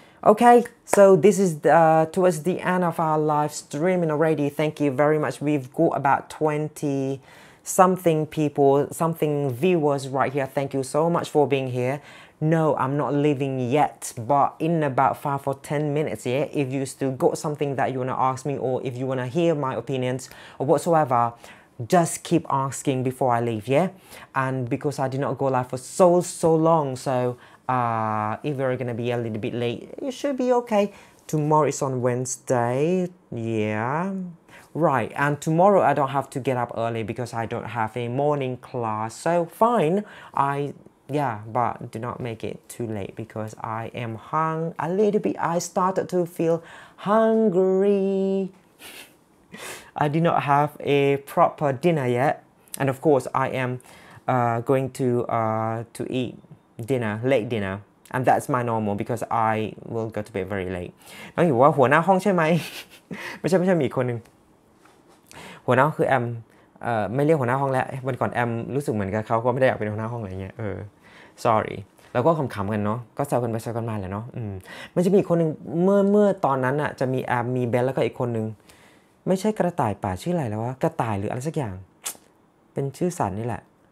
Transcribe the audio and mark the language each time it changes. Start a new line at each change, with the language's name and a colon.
English: okay so this is towards the end of our live streaming already thank you very much we've got about 20 something people something viewers right here thank you so much for being hereNo, I'm not leaving yet, but in about 5 or 10 minutes, yeah, if you still got something that you want to ask me or if you want to hear my opinions or whatsoever, just keep asking before I leave, yeah? And because I did not go live for so long, so if we're gonna be a little bit late, it should be okay. Tomorrow is on Wednesday, yeah. Right, and tomorrow I don't have to get up early because I don't have a morning class. So fine, but do not make it too late because I am hung a little bit. I started to feel hungry. I did not have a proper dinner yet. And of course, I am going to eat dinner, late dinner. And that's my normal because I will go to bed very late.
Thai: น้องอยู่ว่าหัวหน้าห้องใช่ไหม ไม่ใช่มีอีกคนหนึ่งหัวหน้าคือแอมไม่เรียกหัวหน้าห้องแล้ววันก่อนแอมรู้สึกเหมือนกับเขาก็ไม่ได้อยากเป็นหัวหน้าห้องอะไรเงี้ยsorry แล้วก็ขำๆกันเนาะก็แซวกันไปแซวกันมาแหละเนาะมันจะมีอีกคนหนึ่งเมื่อตอนนั้นอะจะมีแอมมีเบลแล้วก็อีกคนหนึ่งไม่ใช่กระต่ายป่าชื่ออะไรแล้ววะกระต่ายหรืออะไรสักอย่างเป็นชื่อสัตว์นี่แหละ